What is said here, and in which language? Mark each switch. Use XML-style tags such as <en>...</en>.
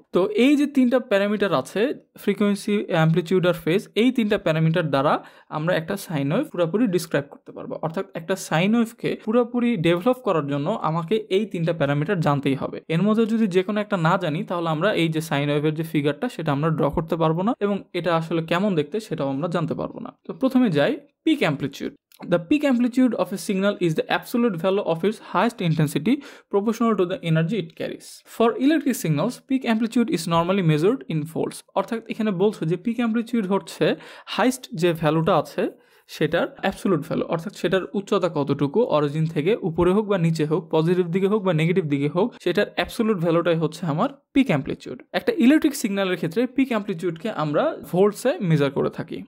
<bn>তো এই যে তিনটা প্যারামিটার আছে, ফ্রিকোয়েন্সি, অ্যাম্প্লিটিউড আর ফেজ, এই তিনটা প্যারামিটার দ্বারা আমরা একটা সাইন ওয়েভ পুরোপুরি ডিসক্রাইব করতে পারবো। অর্থাৎ একটা সাইন ওয়েভকে পুরোপুরি ডেভেলপ করার জন্য আমাকে এই তিনটা প্যারামিটার জানতেই হবে। এর মধ্যে যদি যে কোনো একটা না জানি তাহলে আমরা এই যে সাইন ওয়েভের যে ফিগারটা সেটা আমরা ড্র করতে পারবো না, এবং এটা আসলে কেমন দেখতে সেটাও আমরা জানতে পারবো না। তো প্রথমে যাই pick amplitude.</bn> <en>The peak amplitude of a signal is the absolute value of its highest intensity proportional to the energy it carries. For electric signals, peak amplitude is normally measured in volts.</en> <bn>অর্থাৎ এখানে বলছো যে peak amplitude হচ্ছে highest যে ভ্যালুটা আছে সেটার absolute value, অর্থাৎ সেটার উচ্চতা কতটুকু, অরিজিন থেকে উপরে হোক বা নিচে হোক, পজিটিভ দিকে হোক বা নেগেটিভ দিকে হোক, সেটার অ্যাবসোলুট ভ্যালুটাই হচ্ছে আমার পিক অ্যাম্পলিটিউড। একটা ইলেকট্রিক সিগন্যালের ক্ষেত্রে পিক অ্যাম্পলিটিউডকে আমরা ভোল্টসে মেজার করে থাকি।</bn>